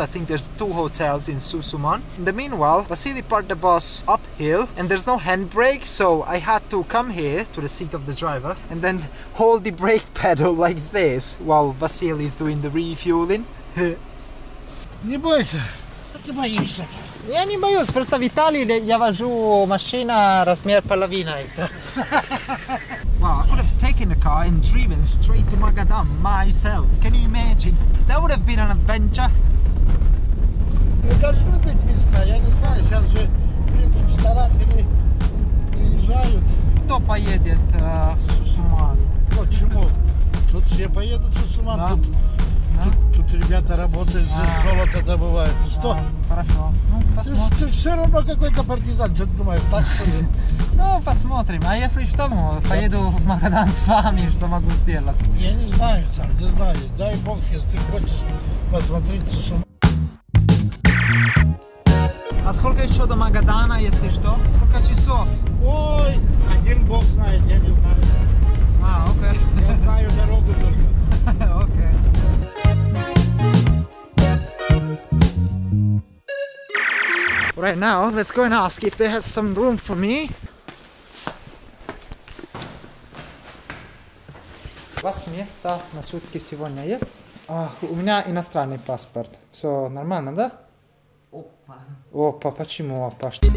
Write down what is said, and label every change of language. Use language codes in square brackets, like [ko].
[en] I think there's two hotels in Susuman. In the meanwhile, Vasily parked the bus uphill and there's no handbrake. So I had to come here to the seat of the driver and then hold the brake pedal like this while Vasily is doing the refueling. [ru] Не бойся. Ты боишься? Я не боюсь, просто в Италии я вожу машина размер половина. [en] Well, I could have taken a car and driven straight to Magadan myself. Can you imagine? That would have been an adventure. [ru] Не должно быть места, я не знаю, сейчас же, в принципе, старатели приезжают. Кто поедет в Сусуман? Почему? Тут все поедут в Сусуман. Да. Тут ребята работают, здесь золото добывают. Что? Хорошо. Ну, посмотрим. Ты все равно какой-то партизан, что ты думаешь, так что ли? Ну, посмотрим. А если что, поеду в Магадан с вами, что могу сделать. Я не знаю, там, не знаю. Дай бог, если ты хочешь посмотреть с ума. А сколько еще до Магадана, если что? Сколько часов? Ой, один бог знает, я не знаю. А, окей. Я знаю дорогу только. Окей. [en] Right now, let's go and ask if they have some room for me. [ru] У вас место на сутки сегодня есть? Ах, у меня иностранный паспорт. Все нормально, да? Опа. Опа, почему опа?